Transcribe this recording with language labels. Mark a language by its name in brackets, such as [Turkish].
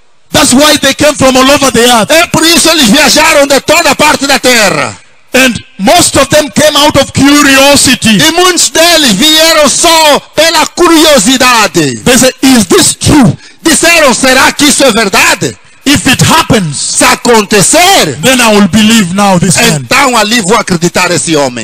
[English] That's why they came from all over the earth. [Portuguese] É por isso eles viajaram de toda parte da terra. [English] And most of them came out of curiosity. [Portuguese] E muitos deles vieram só pela curiosidade. [English] They say, is this true? [Portuguese] Disseram, será que isso é verdade? [English] If it happens, [Portuguese] se acontecer, [English] then I will believe now this man. [Portuguese] Então ali vou acreditar esse homem.